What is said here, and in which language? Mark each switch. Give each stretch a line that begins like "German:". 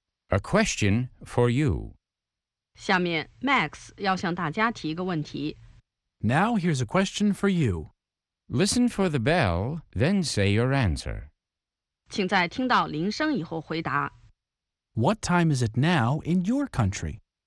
English: A question for you.
Chinese: 下面 Max 要向大家提一个问题。
English: Now here's a question for you. Listen for the bell, then say your answer.
Chinese: 请在听到铃声以后回答。
English: What time is it now in your country?